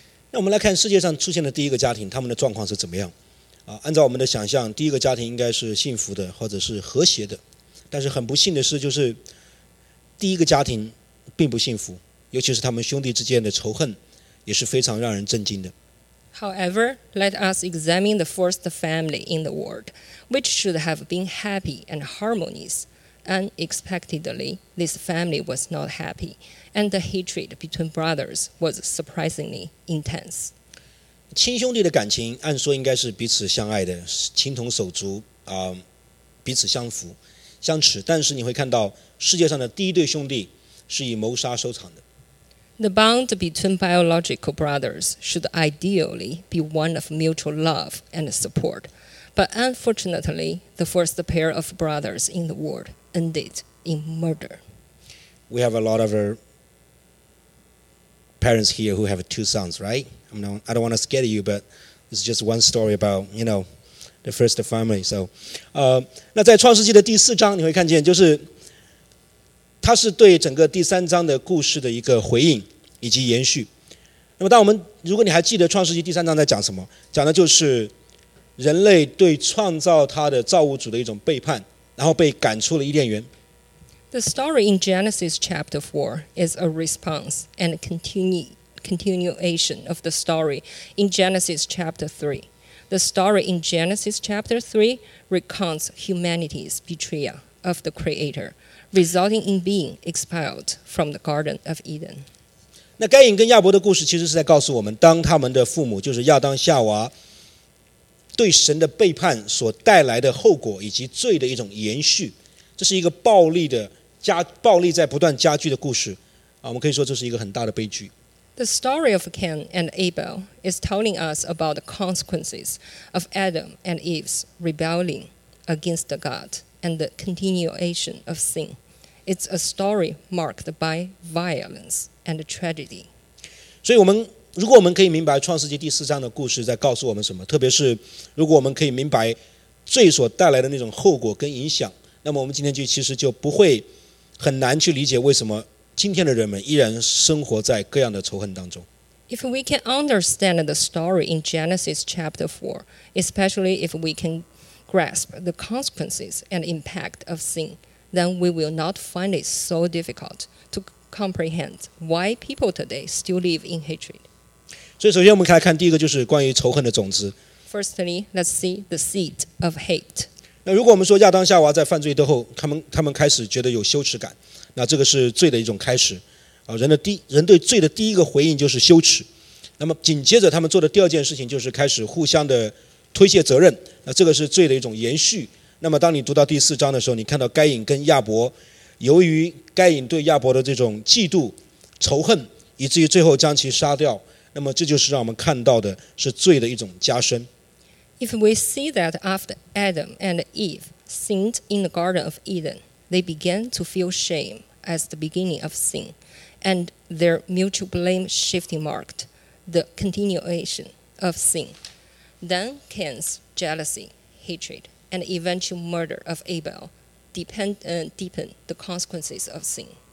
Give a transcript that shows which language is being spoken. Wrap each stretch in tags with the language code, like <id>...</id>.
<zh>那我们来看世界上出现的第一个家庭，他们的状况是怎么样？按照我们的想象，第一个家庭应该是幸福的，或者是和谐的。但是很不幸的是，就是第一个家庭并不幸福，尤其是他们兄弟之间的仇恨，也是非常让人震惊的。</zh> <en>However, let us examine the first family in the world, which should have been happy and harmonious. Unexpectedly, this family was not happy. And the hatred between brothers was surprisingly intense. 亲兄弟的感情按说应该是彼此相爱的，情同手足，彼此相扶相持，但是你会看到世界上的第一对兄弟是以谋杀收场的。 The bond between biological brothers should ideally be one of mutual love and support. But unfortunately, the first pair of brothers in the world ended in murder. We have a lot of parents here who have two sons, right? I don't want to scare you, but it's just one story about, you know, the first family.</en> <zh>So, 那在创世纪的第四章，你会看见，就是它是对整个第三章的故事的一个回应以及延续。那么，当我们如果你还记得创世纪第三章在讲什么，讲的就是人类对创造他的造物主的一种背叛，然后被赶出了伊甸园。</zh> <en>The story in Genesis chapter 4 is a response and a continuation of the story in Genesis chapter 3. The story in Genesis chapter 3 recounts humanity's betrayal of the Creator, resulting in being expelled from the Garden of Eden.</en> <zh>那该隐跟亚伯的故事其实是在告诉我们，当他们的父母，就是亚当夏娃，对神的背叛所带来的后果以及罪的一种延续，这是一个暴力在不断加剧的故事，啊，我们可以说这是一个很大的悲剧。</zh> <en>The story of Cain and Abel is telling us about the consequences of Adam and Eve's rebelling against God and the continuation of sin. It's a story marked by violence and tragedy.</en> <zh>所以我们如果我们可以明白创世纪第四章的故事在告诉我们什么，特别是如果我们可以明白罪所带来的那种后果跟影响，那么我们今天就其实就不会很难去理解为什么今天的人们依然生活在各样的仇恨当中。</zh> <en>If we can understand the story in Genesis chapter 4, especially if we can grasp the consequences and impact of sin, then we will not find it so difficult to comprehend why people today still live in hatred.</en> <zh>所以首先我们来看第一个就是关于仇恨的种子。</zh> <en>Firstly, let's see the seed of hate.</en> <zh>那如果我们说亚当夏娃在犯罪之后，他们开始觉得有羞耻感，那这个是罪的一种开始，啊，人对罪的第一个回应就是羞耻，那么紧接着他们做的第二件事情就是开始互相的推卸责任，那这个是罪的一种延续。那么当你读到第四章的时候，你看到该隐跟亚伯，由于该隐对亚伯的这种嫉妒、仇恨，以至于最后将其杀掉，那么这就是让我们看到的是罪的一种加深。</zh> <en>If we see that after Adam and Eve sinned in the Garden of Eden. They began to feel shame as the beginning of sin, and their mutual blame shifting marked the continuation of sin. Then Cain's jealousy, hatred, and eventual murder of Abel deepened the consequences of sin.</en>